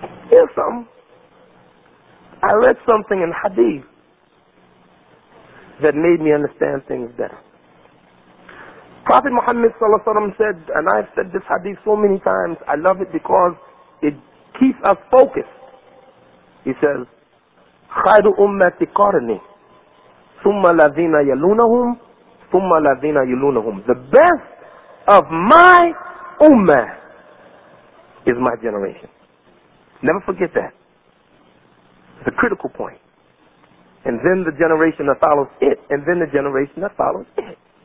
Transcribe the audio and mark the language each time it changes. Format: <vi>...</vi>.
<en>Here's something. I read something in Hadith that made me understand things better. Prophet Muhammad sallallahu alaihi wasallam said, and I've said this Hadith so many times, I love it because it keeps us focused. He says,</en> <ar>خَيْرُ أُمَّةِ قَرْنِي ثُمَّ لَذِينَ يَلُونَهُمْ ثُمَّ لَذِينَ يَلُونَهُمْ.</ar> <en>The best of my ummah is my generation. Never forget that. The critical point. And then the generation that follows it, and then the generation that follows it.</en>